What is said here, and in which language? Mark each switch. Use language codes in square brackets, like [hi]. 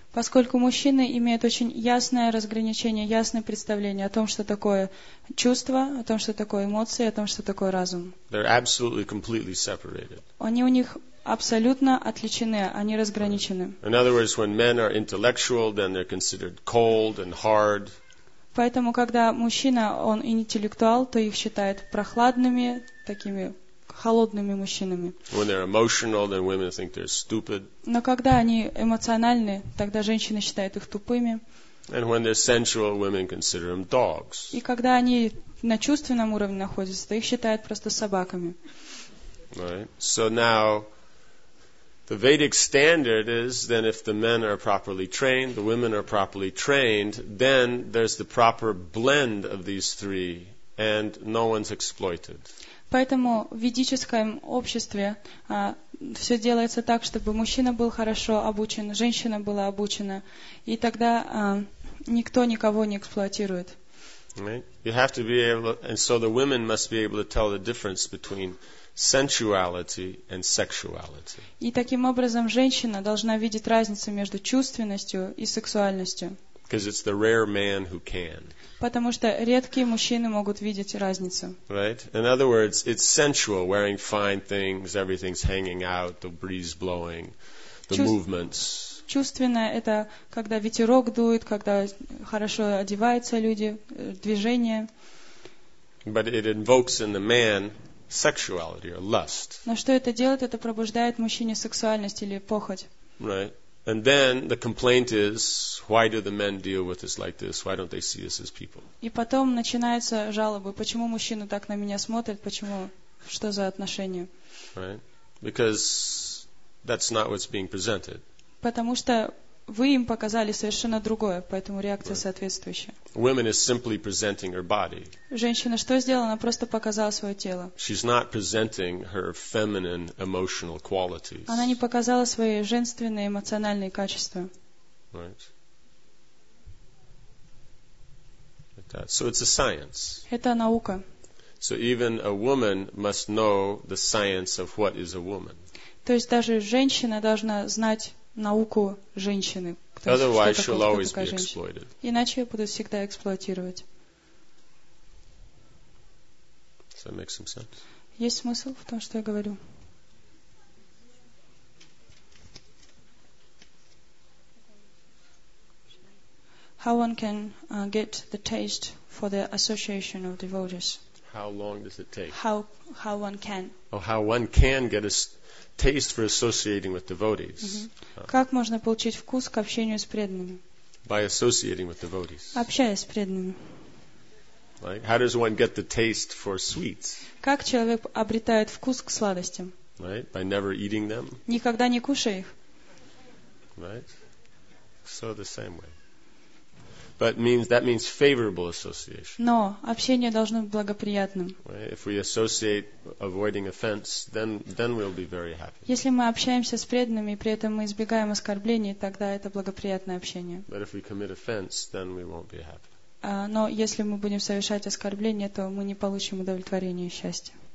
[ru] Поскольку мужчины имеют очень ясное разграничение, ясное представление о том, что такое чувство, о том, что такое эмоции, о том, что такое разум. [en] They're absolutely, completely separated. [ru] Они у них абсолютно отличены, они разграничены. [en] In other words, when men are intellectual, then they're considered cold and hard. [ru] Поэтому, когда мужчина, он интеллектуал, то их считают прохладными, такими холодными мужчинами. [en] When they're emotional, then women think they're stupid. [ru] Но когда они эмоциональны, тогда женщины считают их тупыми. [en] And when they're sensual, women consider them dogs. [ru] И когда они на чувственном уровне находятся, то их считают просто собаками. [en] Right. So now, the Vedic standard is then if the men are properly trained, the women are properly trained, then there's the proper blend of these three and no one's exploited. [ru] Поэтому в ведическом обществе все делается так, чтобы мужчина был хорошо обучен, женщина была обучена, и тогда никто никого не эксплуатирует. [en] Right? You have to be able to, and so the women must be able to tell the difference between sensuality and sexuality. [ru] И таким образом женщина должна видеть разницу между чувственностью и сексуальностью. [en] Because it's the rare man who can. [ru] Потому что редкие мужчины могут видеть разницу. [en] Right? In other words, it's sensual, wearing fine things, everything's hanging out, the breeze blowing, the movements. [ru] Чувственное – это когда ветерок дует, когда хорошо одеваются люди, движение. [en] But it invokes in the man sexuality or lust. [ru] Но что это делает? Это пробуждает в мужчине сексуальность или похоть. [en] Right. And then the complaint is, why do the men deal with us like this? Why don't they see us as people? [ru] И потом начинаются жалобы. Почему мужчина так на меня смотрит? Почему? Что за отношения? [en] Right. Because that's not what's being presented. [ru] Потому что вы им показали совершенно другое, поэтому реакция [en] right. [ru] соответствующая. [en] Women is simply presenting her body. [ru] Женщина что сделала? Она просто показала свое тело. [en] She's not presenting her feminine emotional qualities. [ru] Она не показала свои женственные эмоциональные качества. [en] Right. Like that. So it's a science. [ru] Это наука. [en] So even a woman must know the science of what is a woman. [ru] То есть даже женщина должна знать науку женщины, [en] Otherwise, she'll always be exploited. [ru] Иначе ее будут всегда эксплуатировать. [en] Does that make some sense? [ru] Есть смысл в том, что я говорю? [en] How one can get the taste for the association of devotees? How long does it take? How one can? Oh, how one can get a taste for associating with devotees. [ru] Как можно получить вкус к общению с преданными? [en] By associating with devotees. [ru] Общаясь с преданными. [en] Right? How does one get the taste for sweets? [ru] Как человек обретает вкус к сладостям? [en] Right? By never eating them. [ru] Никогда не кушая их. [en] Right? So the same way. But that means favorable association. [ru] Но общение должно быть благоприятным. [en] Right? If we associate avoiding offense, then we'll be very happy. [ru] Если мы общаемся с преданными, при этом мы избегаем оскорблений, тогда это благоприятное общение. [en] But if we commit offense, then we won't be happy. [ru] Но если мы будем совершать оскорбления, то мы не получим удовлетворения и счастья.